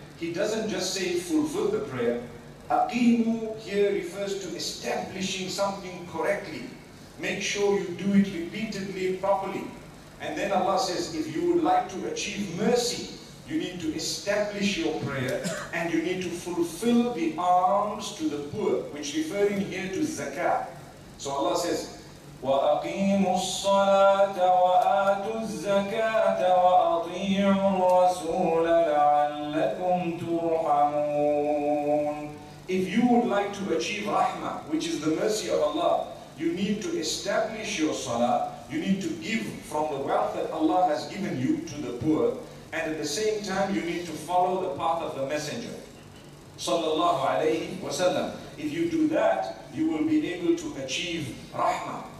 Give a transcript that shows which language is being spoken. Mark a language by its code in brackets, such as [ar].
[en] He doesn't just say fulfill the prayer. Aqimu here refers to establishing something correctly. Make sure you do it repeatedly, properly. And then Allah says, if you would like to achieve mercy, you need to establish your prayer and you need to fulfill the alms to the poor, which referring here to zakah. [ar] So Allah says, وَأَقِيمُوا الصَّلَاةَ وَآتُوا الزَّكَاةَ وَأَطِيعُوا الرَّسُولَ لَعَلَّكُمْ تُرْحَمُونَ. [en] If you would like to achieve rahmah, which is the mercy of Allah, you need to establish your salah, you need to give from the wealth that Allah has given you to the poor, and at the same time you need to follow the path of the Messenger [ar] sallallahu alayhi wa sallam. [en] If you do that, you will be able to achieve rahmah.